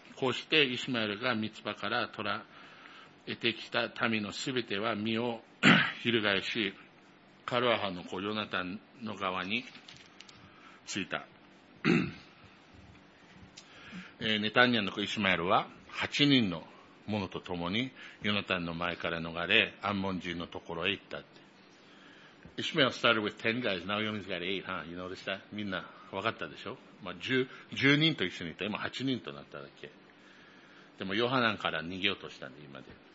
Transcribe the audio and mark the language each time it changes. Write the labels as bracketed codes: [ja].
[ja] こうしてイシュマエルがミツパから捕らえてきた民のすべては身を翻し、カルアハの子ヨナタンの側に着いた。ネタニヤの子イシュマエルは8人の者と共にヨナタンの前から逃れ、アンモン人のところへ行った。 [en] Ishmael started with 10 guys, now he only's got 8, huh? You notice that? [ja] みんな、わかったでしょ?まあ、10人と一緒にいた。今8人となっただけ。でも、ヨハナンから逃げようとしたんで、今で。